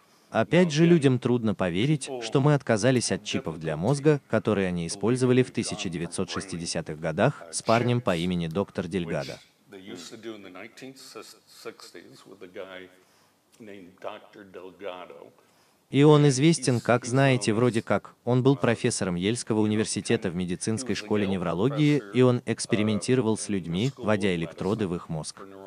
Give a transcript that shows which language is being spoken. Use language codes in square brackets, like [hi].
[ru] Опять же, людям трудно поверить, что мы отказались от чипов для мозга, которые они использовали в 1960-х годах с парнем по имени доктор Дельгадо. [en] used to do in the 1960s with a guy named Dr. Delgado. [ru] И он известен, как знаете, вроде как, он был профессором Йельского университета в медицинской школе неврологии, и он экспериментировал с людьми, вводя электроды в их мозг.